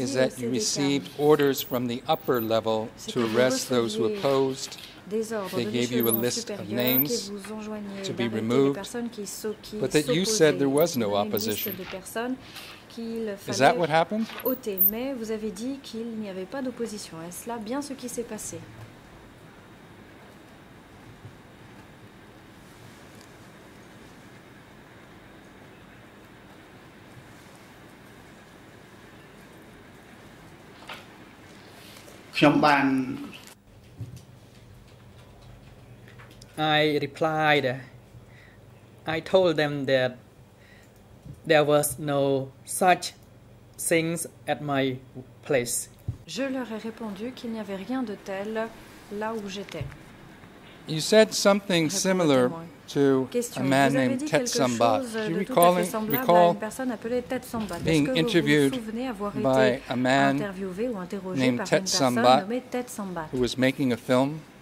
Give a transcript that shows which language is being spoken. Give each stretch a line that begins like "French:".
English: is that you received orders from the upper level to arrest those who opposed. They gave you a list of names to be removed, but that you said there was no opposition. Is that what happened?
French: Ôter, mais vous avez dit qu'il n'y avait pas d'opposition. Est-ce là bien ce qui s'est passé?
English: I replied, I told them that there was no such things at my place.
French: Je leur ai répondu qu'il n'y avait rien de tel là où j'étais.
English: You said something similar to a man named Tetsam Bhatt. Do you recall, being interviewed by a man named Tetsam Bhatt, who was making a film?